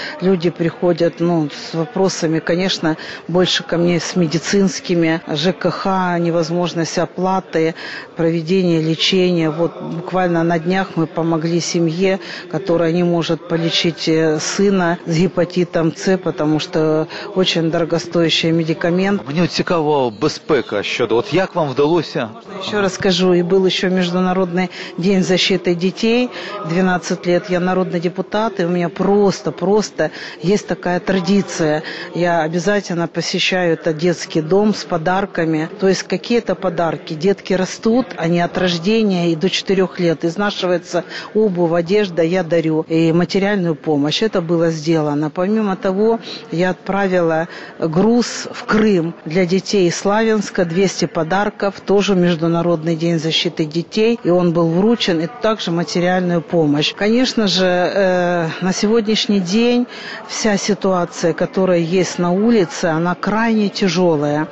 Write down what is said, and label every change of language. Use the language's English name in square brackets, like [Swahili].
[Russian] Люди приходят, ну, с вопросами, конечно, больше ко мне с медицинскими, ЖКХ, невозможность оплаты, проведение лечения. Вот буквально на днях мы помогли семье, которая не может полечить сына с гепатитом С, потому что очень дорогостоящий медикамент. [Ukrainian] Мне вот цікаво безпека. Щодо, от як вам вдалося? Можна ще раз скажу, і був ще Міжнародний день защити дітей, 12 років я народний депутат, і у мене просто є така традиція. Я обов'язково посещаю цей дитячий дім з подарками. Тобто, які-то подарки. Дітки ростуть, вони від народження і до 4 років. Знашується обув, одежда, я дарю. І матеріальну допомогу. Це було зроблено. [Russian] Помимо того, [Ukrainian] я відправила груз в Крим для дітей Слав'янська, [Russian] 200 подарков, тоже Международный день защиты детей, и он был вручен, и также материальную помощь. Конечно же, на сегодняшний день вся ситуация, которая есть на улице, она крайне тяжелая.